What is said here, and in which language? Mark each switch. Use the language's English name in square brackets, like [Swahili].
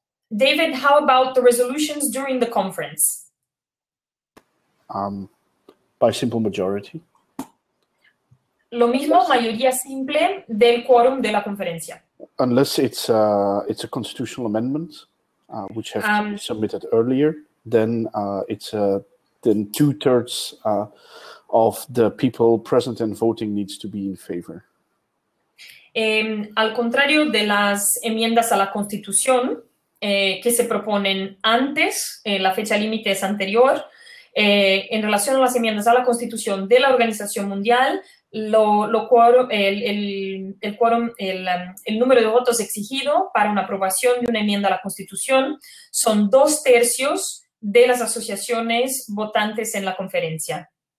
[English] David, how about the resolutions during the conference? By simple majority. [Spanish] Lo mismo, mayoría simple del quórum de la conferencia. [English] Unless it's a, it's a constitutional amendment, which has to be submitted earlier. Then it's then 2/3 of the people present and voting needs to be in favor. [Spanish] Al contrario de las enmiendas a la Constitución que se proponen antes, la fecha límite es anterior, en relación a las enmiendas a la Constitución de la Organización Mundial, el número de votos exigido para una aprobación de una enmienda a la Constitución son 2/3 de las asociaciones votantes en la conferencia.